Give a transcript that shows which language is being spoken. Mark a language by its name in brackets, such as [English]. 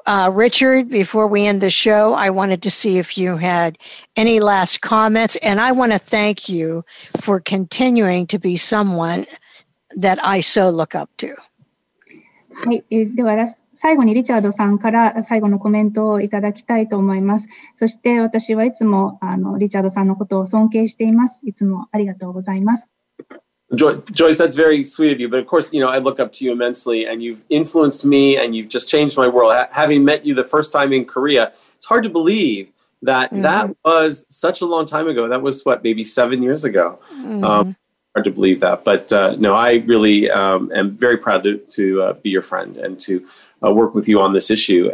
[English] Richard, before we end the show, I wanted to see if you had any last comments. And I want to thank you for continuing to be someone that I so look up to. [Japanese] はい。では、最後にリチャードさんから最後のコメントをいただきたいと思います。そして私はいつもリチャードさんのことを尊敬しています。いつもありがとうございます。 [English] Joyce, that's very sweet of you. But of course, you know, I look up to you immensely and you've influenced me and you've just changed my world. Having met you the first time in Korea, it's hard to believe that that was such a long time ago. That was, what, maybe 7 years ago. Hard to believe that. But no, I really am very proud to be your friend and to work with you on this issue.